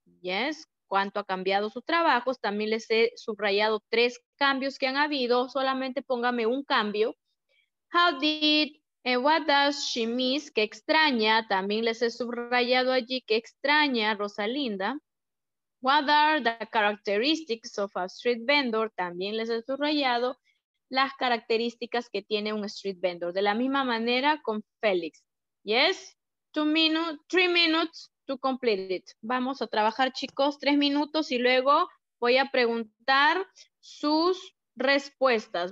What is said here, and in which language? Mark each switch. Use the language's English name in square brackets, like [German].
[Spanish] Yes, ¿cuánto ha cambiado su trabajo? También les he subrayado 3 cambios que han habido. Solamente póngame un cambio. [English] How did and what does she miss? [Spanish] ¿Qué extraña? También les he subrayado allí que extraña Rosalinda. [English] What are the characteristics of a street vendor? [Spanish] También les he subrayado las características que tiene un street vendor. De la misma manera con Félix. Yes? [English] 3 minutes to complete it. [Spanish] Vamos a trabajar, chicos, 3 minutos y luego voy a preguntar sus respuestas.